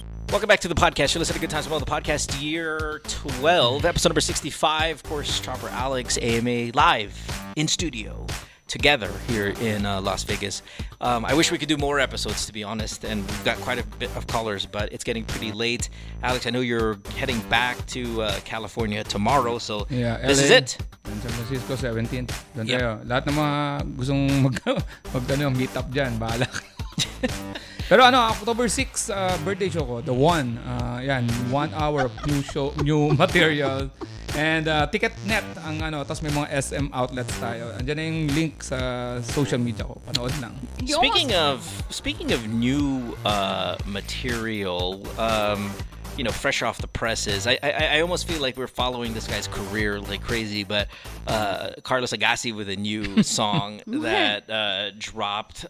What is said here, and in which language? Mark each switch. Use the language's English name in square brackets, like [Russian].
[English] Welcome back to the podcast. You're listening to Good Times Well, the podcast year 12, episode number 65. Of course, Chopper Alex, AMA, live in studio together here in Las Vegas. I wish we could do more episodes, to be honest, and we've got quite a bit of callers, but it's getting pretty late. Alex, I know you're heading back to California tomorrow, so yeah, this LA, is it. [Filipino] San Francisco, 17th. Doon tayo. Lahat ng mga gustong mag-meet up dyan, bahala. Pero ano, [English] October 6, birthday show ko, the one. Yan, 1 hour of new show, new material. [Filipino] And Ticketnet ang ano, tapos may mga SM outlets tayo. Andiyan na yung link sa social media ko, panood lang. [English] Speaking of new material, you know, fresh off the presses, I almost feel like we're following this guy's career like crazy, but Carlos Agassi with a new song that dropped.